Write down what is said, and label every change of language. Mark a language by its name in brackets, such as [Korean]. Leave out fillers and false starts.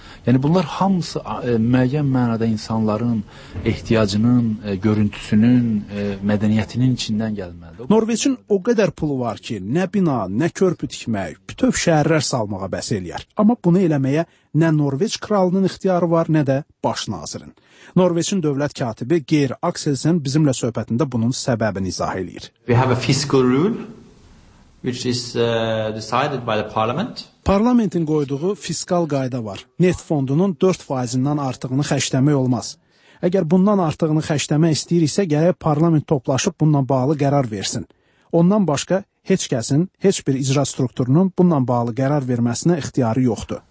[Azerbaijani] Yəni, bunlar hamısı müəyyən mənada insanların ehtiyacının, görüntüsünün, mədəniyyətinin içindən gəlməlidir. Norveçin o qədər pulu var ki, nə bina, nə körpü tikmək, bütöv şəhərlər salmağa bəs eləyər. Amma bunu eləməyə nə Norveç kralının ixtiyarı var, nə də baş nazirin. Norveçin dövlət katibi Geir Akselsen bizimlə söhbətində bunun səbəbini izah eləyir. [English] We have a fiscal rule which is decided by the parliament. [Azerbaijani] Parlamentin qoyduğu fiskal qayda var. Neft fondunun 4%-dən artığını xərcləmək olmaz. Əgər bundan artığını xərcləmək istəyirsə, gərək parlament toplaşıb bununla bağlı qərar versin. Ondan başqa heç kəsin, heç bir icra strukturunun bununla bağlı qərar verməsinə ixtiyarı yoxdur.